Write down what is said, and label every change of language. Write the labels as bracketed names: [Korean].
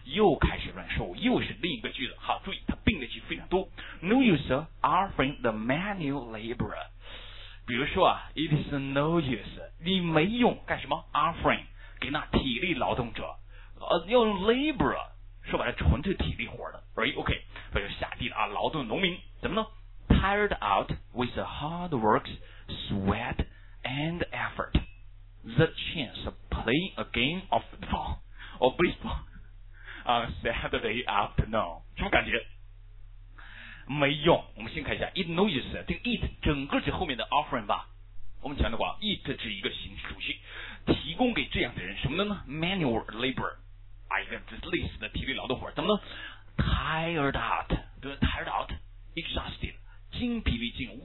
[Chinese] 又开始乱说，又是另一个句子。好，注意，它并列句非常多。 No use offering the manual laborer。比如说啊 ， It is no use，你没用干什么 ？Offering 给那体力劳动者，要用 laborer， 说白了纯粹体力活的 ，right？ [English] OK，或者下地的啊，劳动农民，怎么呢？Tired out with the hard work, sweat and effort。 The chance of playing a game of football or baseball on Saturday afternoon，什么感觉？ [Chinese] 没用。我们先看一下 it no use，这个 it 整个指后面的 offering 吧。我们强调过 it 指一个形式属性，提供给这样的人什么呢 ？ Manual labor，啊，一个类似的体力劳动活，怎么呢 ？ Tired out，对 ，tired out， exhausted， 精疲力尽。